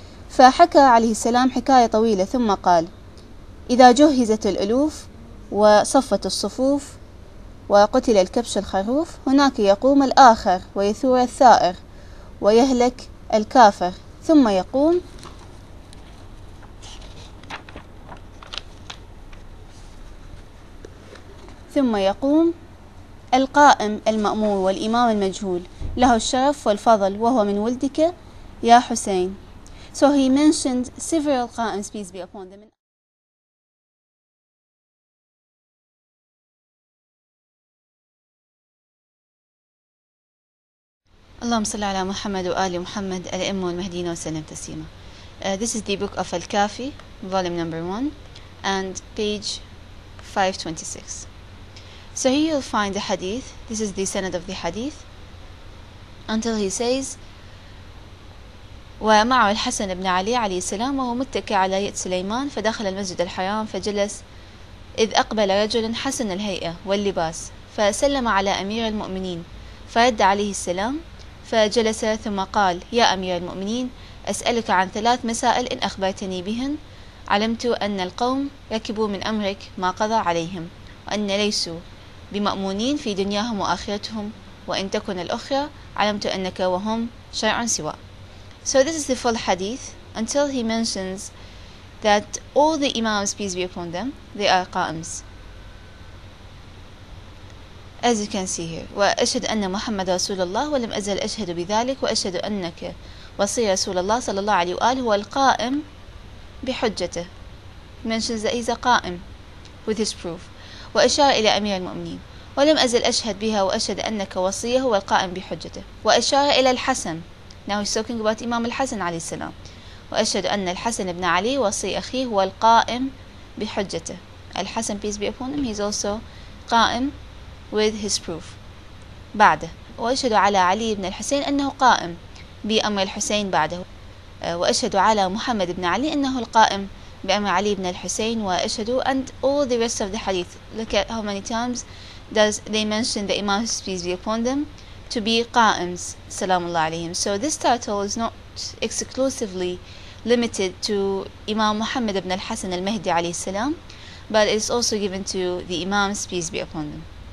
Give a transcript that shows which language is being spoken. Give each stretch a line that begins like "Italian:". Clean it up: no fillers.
Arabic: فحكى عليه السلام حكاية طويلة ثم قال: إذا جهزت الألوف وصفت الصفوف وقتل الكبش الخروف، هناك يقوم الآخر ويثور الثائر ويهلك الكافر، ثم يقوم القائم المأمور والإمام المجهول له الشرف والفضل، وهو من ولدك يا حسين.
English: So he mentioned several qa'ims, peace be upon them.
Arabic: اللهم صل على محمد وآل محمد الأئمة والمهدين وسلم تسليما.
English: This is the book of AlKafi, volume number 1, and page 526. So here you'll find the hadith. This is the sanad of the hadith. Until he says,
Arabic: ومعه الحسن بن علي عليه السلام وهو متكئ على يد سليمان، فدخل المسجد الحرام فجلس، إذ أقبل رجل حسن الهيئة واللباس، فسلم على أمير المؤمنين، فرد عليه السلام، ف فجلس ثم قال يا أمير المؤمنين أسألك عن ثلاث مسائل إن أخبرتني بهن علمت أن القوم ركبوا من أمرك ما قضى عليهم وأن ليسوا بمأمونين في دنياهم وآخرتهم وإن تكن الأخرى علمت أنك وهم شيء سوى.
English: So this is the full hadith until he mentions that all the imams, peace be upon them, they are qa'ems. As you can see here,
Arabic: وأشهد أن محمد رسول الله ولم أزل أشهد بذلك وأشهد أنك وصي رسول الله صلى الله عليه وآله هو القائم بحجته.
English: He mentions that he's a qa'em with his proof.
Arabic: وأشار إلى أمير المؤمنين ولم أزل أشهد بها وأشهد أنك وصيه هو القائم بحجته. وأشار إلى الحسن.
English: Now he's talking about Imam al-Hasan
Arabic: عليه السلام. وأشهد أن الحسن بن علي وصي أخيه هو القائم بحجته.
English: الحسن peace be upon him, he's also قائم with his proof.
Arabic: بعده وأشهد على علي بن الحسين أنه قائم بأمر الحسين بعده. وأشهد على محمد بن علي أنه القائم بأمر علي بن الحسين وأشهد
English: and all the rest of the hadith. Look at how many times does they mention the Imams peace be upon them to be qa'ims, salamullah alayhim. So this title is not exclusively limited to Imam Muhammad ibn al-Hassan al-Mahdi alayhi salam, but it's also given to the Imams, peace be upon them.